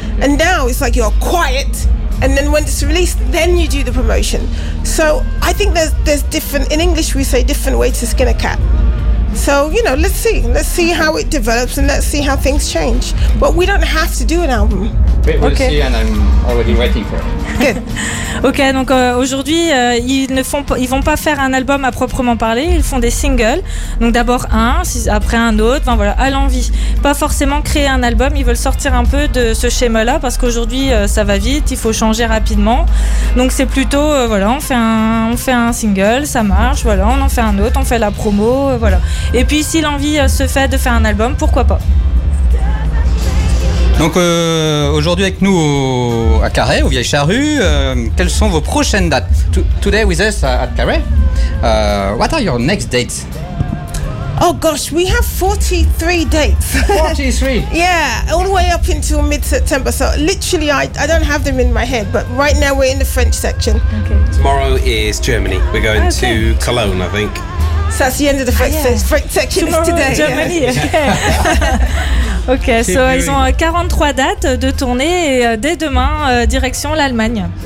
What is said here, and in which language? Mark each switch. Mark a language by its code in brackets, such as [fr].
[en] And now it's like you're quiet. And then when it's released, then you do the promotion. So I think there's different, in English we say different ways to skin a cat. So, you know, let's see. Let's see how it develops and let's see how things change. But we don't have to do an album. We'll okay. see and I'm already waiting for it. [fr] Ok, donc aujourd'hui, ils vont pas faire un album à proprement parler, ils font des singles. Donc d'abord un, après un autre, enfin voilà, à l'envie. Pas forcément créer un album, ils veulent sortir un peu de ce schéma-là, parce qu'aujourd'hui, ça va vite, il faut changer rapidement. Donc c'est plutôt, voilà, on fait un single, ça marche, voilà, on en fait un autre, on fait la promo, voilà. Et puis si l'envie se fait de faire un album, pourquoi pas. Donc aujourd'hui avec nous à Carré, au Vieille Charrue, quelles sont vos prochaines dates? [en] Today with us at Carré, what are your next dates? Oh gosh, we have 43 dates. 43? Yeah, all the way up until mid-September. So literally, I don't have them in my head, but right now we're in the French section. Okay. Tomorrow is Germany. We're going to Cologne, I think. So that's the end of the French section. Tomorrow is today. Germany, yeah. Okay. [fr] Ok, so ils ont 43 dates de tournée et dès demain, direction l'Allemagne.